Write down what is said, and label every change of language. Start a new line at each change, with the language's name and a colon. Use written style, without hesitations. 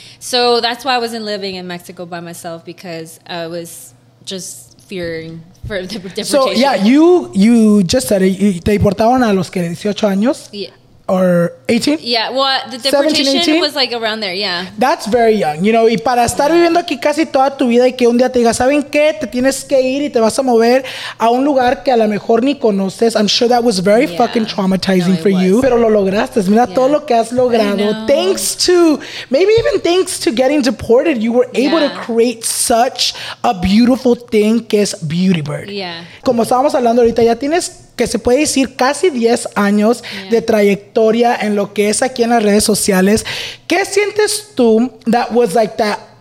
English: So that's why I wasn't living in Mexico by myself, because I was just fearing for the deportation. So yeah, you just said it.
Spanish: Te deportaron a los que 18 años?
English: Yeah. Or 18? Yeah, well, the deportation 17, was like around there, yeah. That's very young, you know,
Spanish: y para estar viviendo aquí casi toda tu vida y que un día te diga, ¿saben qué? Te tienes que ir y te vas a mover a un lugar que a lo mejor ni conoces.
English: I'm sure that was very fucking traumatizing for you.
Spanish: Pero lo lograste. Mira todo lo que has logrado.
English: Thanks to, maybe even thanks to getting deported, you were able to create such a beautiful thing
Spanish: que es
English: Beauty Bird. Yeah.
Spanish: Como estábamos hablando ahorita, ya tienes que se puede decir casi 10 años de trayectoria en lo que es aquí en las redes sociales. ¿Qué sientes tú
English: that was like that